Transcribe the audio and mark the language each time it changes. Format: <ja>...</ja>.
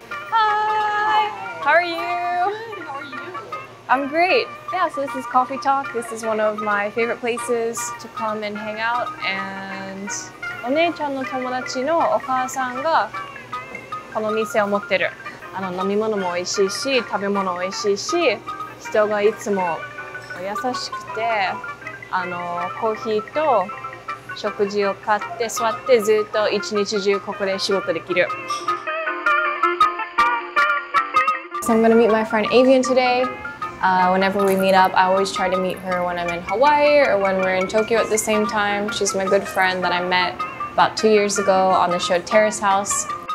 <en>Hi! How are you? Good, how are you? I'm great. Yeah, so this is Coffee Talk. This is one of my favorite places to come and hang out. And</en> <ja>お姉ちゃんの友達のお母さんがこの店を持ってる。あの飲み物も美味しいし、食べ物も美味しいし、人がいつも優しくて、あのコーヒーと食事を買って座ってずっと一日中ここで仕事できる。</ja> <en>So I'm gonna meet my friend Avian today. Whenever we meet up, I always try to meet her when I'm in Hawaii or when we're in Tokyo at the same time. She's my good friend that I met about 2 years ago on the show Terrace House.</en>